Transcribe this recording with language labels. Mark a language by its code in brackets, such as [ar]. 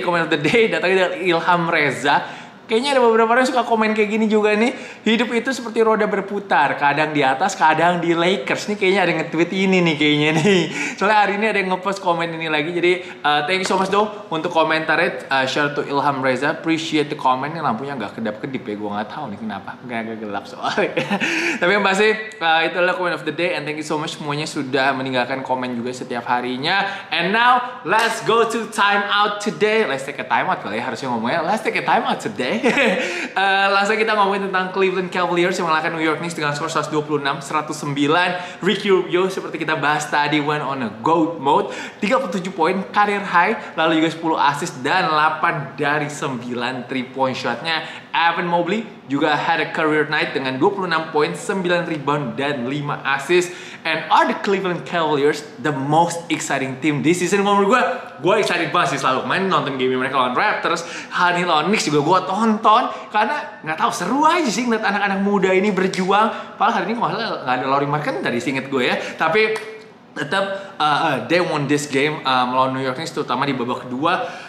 [id] Comment of the day datangnya dari Ilham Reza. Kayaknya ada beberapa orang yang suka komen kayak gini juga nih. Hidup itu seperti roda berputar, kadang di atas, kadang di Lakers. Nih kayaknya ada yang nge-tweet ini nih kayaknya nih. Soalnya hari ini ada yang nge-post komen ini lagi. Jadi thank you so much though untuk komentarnya. [en] Shout out to Ilham Reza, appreciate the comment. [id] Ini lampunya gak kedap-kedip ya, gue gak tahu nih kenapa. Gak gelap soalnya. Tapi yang pasti itu adalah comment of the day. And thank you so much semuanya sudah meninggalkan komen juga setiap harinya. [en] And now let's go to time out today. [id] Let's take a time out kali ya, harusnya ngomongnya let's take a time out today. Langsung kita ngomongin tentang Cleveland Cavaliers yang mengalahkan New York Knicks dengan skor 126-109. Ricky Rubio seperti kita bahas tadi went on a GOAT mode, 37 poin career high, lalu juga 10 assist dan 8 dari 9 3 point shotnya. Evan Mobley juga had a career night dengan 26 poin, 9 rebound dan 5 assist. [en] And are the Cleveland Cavaliers the most exciting team this season? [id] Menurut gue excited banget sih selalu main nonton game mereka lawan Raptors. Hari ini lawan Knicks juga gue tonton karena nggak tahu, seru aja sih ngeliat anak-anak muda ini berjuang. Padahal hari ini malah nggak ada Lauri Markkanen tadi sih inget gue ya. Tapi tetap they won this game melawan New York Knicks, terutama di babak kedua.